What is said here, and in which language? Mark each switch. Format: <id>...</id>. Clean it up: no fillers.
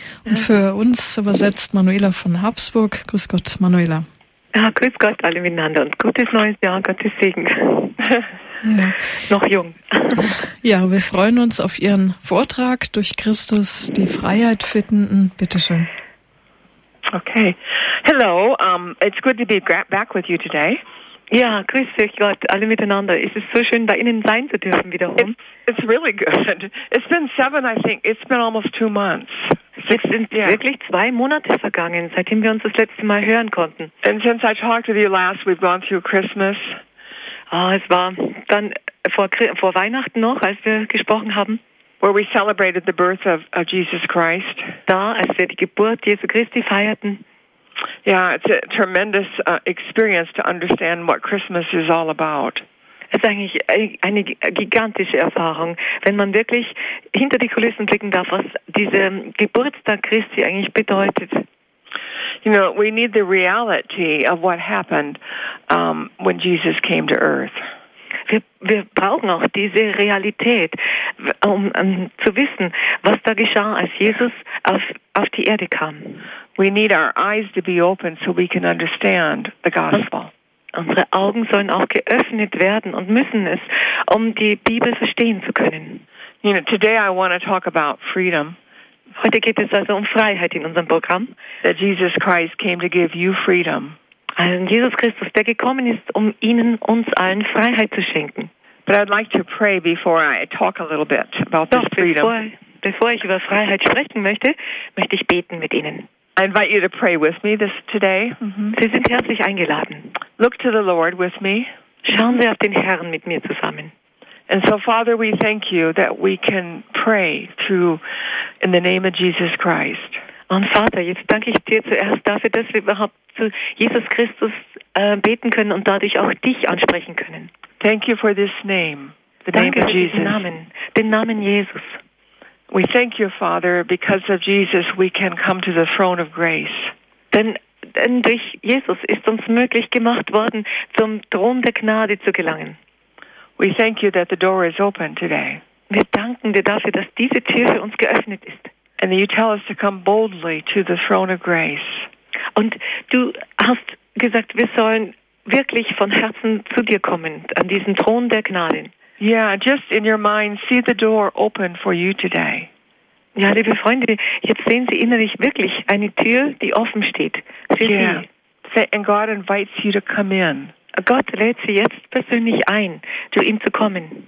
<de>Und für uns übersetzt Manuela von Habsburg. Grüß Gott, Manuela. Ja, grüß Gott alle miteinander und gutes neues Jahr, Gottes Segen. Ja. Noch jung. Ja, wir freuen uns auf Ihren Vortrag, durch Christus die Freiheit finden. Bitte schön. Okay.</de> <en>Hello, it's good to be back with you today.</en> <de>Ja, grüß dich Gott, alle miteinander. Es ist so schön, bei Ihnen sein zu dürfen wiederum.</de> <en>It's really good. It's been seven, I think. It's been almost 2 months.</en> <de>Es sind wirklich 2 Monate vergangen, seitdem wir uns das letzte Mal hören konnten.</de> <en>And since I talked with you last, we've gone through Christmas.</en> <de>Ah, es war dann vor Weihnachten noch, als wir gesprochen haben.</de> <en>Where we celebrated the birth of Jesus Christ.</en> <de>Da, als wir die Geburt Jesu Christi feierten.</de> <en>Yeah, it's a tremendous experience to understand what Christmas is all about.</en> <de>Es ist eigentlich eine gigantische Erfahrung, wenn man wirklich hinter die Kulissen blicken darf, was dieser Geburtstag Christi eigentlich bedeutet.</de> <en>You know, we need the reality of what happened when Jesus came to earth.</en> <de>Wir brauchen auch diese Realität, um zu wissen, was da geschah, als Jesus auf die Erde kam.</de> <en>We need our eyes to be open so we can understand the gospel.</en> <de>Unsere Augen sollen auch geöffnet werden und müssen es, um die Bibel verstehen zu können.</de> <en>You know, today I want to talk about freedom.</en> <de>Heute geht es also um Freiheit in unserem Programm.</de> <en>That Jesus Christ came to give you freedom.</en> <de>Also Jesus Christus, der gekommen ist, um Ihnen, uns allen Freiheit zu schenken.</de> <en>But I'd like to pray before I talk a little bit about</en> <de>Doch,</de> <en>this freedom.</en> <de>Bevor ich über Freiheit sprechen möchte, möchte ich beten mit Ihnen.</de> <en>I invite you to pray with me this today.</en> <de>Sie sind herzlich eingeladen.</de> <en>Look to the Lord with me.</en> <de>Schauen Sie auf den Herrn mit mir zusammen.</de> <en>And so, Father, we thank you that we can pray through in the name of Jesus Christ.</en> <de>Und Vater, jetzt danke ich dir zuerst dafür, dass wir überhaupt zu Jesus Christus beten können und dadurch auch dich ansprechen können.</de> <en>Thank you for this name, the</en> <de>danke</de> <en>name of Jesus.</en> <de>Für diesen Namen, den Namen Jesus.</de> <en>We thank you, Father, because of Jesus we can come to the throne of grace.</en> <de>Denn durch Jesus ist uns möglich gemacht worden, zum Thron der Gnade zu gelangen.</de> <en>We thank you that the door is open today.</en> <de>Wir danken dir dafür, dass diese Tür für uns geöffnet ist.</de> <en>And you tell us to come boldly to the throne of grace.</en> <de>Und du hast gesagt, wir sollen wirklich von Herzen zu dir kommen, an diesen Thron der Gnade.</de> <en>Yeah, just in your mind, see the door open for you today.</en> <de>Ja, liebe Freunde, jetzt sehen Sie innerlich wirklich eine Tür, die offen steht für</de> <en>yeah.</en> <de>Sie.</de> <en>And God invites you to come in.</en> <de>Gott lädt Sie jetzt persönlich ein, zu ihm zu kommen.</de>